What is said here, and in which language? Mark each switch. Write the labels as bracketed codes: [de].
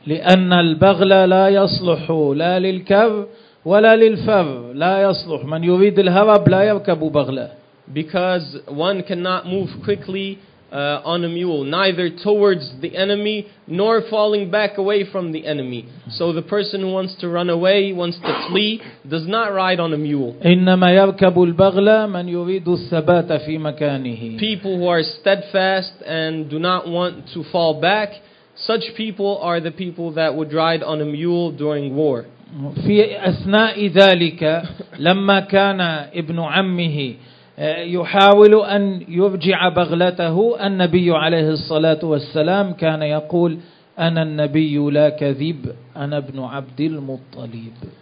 [ar] لأن البغل لا يصلح لا للكب ولا للفب لا يصلح من يريد الهرب لا يركب بغلة. [en] Because one cannot move quickly on a mule, neither towards the enemy nor falling back away from the enemy. So the person who wants to run away, wants to flee, does not ride on a mule. [ar] إنما يركب البغلة من يريد الثبات في مكانه. [en] People who are steadfast and do not want to fall back, such people are the people that would ride on a mule during war. [ar] في أثناء ذلك لما كان ابن عمه يحاول أن يرجع بغلته النبي عليه الصلاة والسلام كان يقول أنا النبي لا كذب أنا ابن عبد المطلب.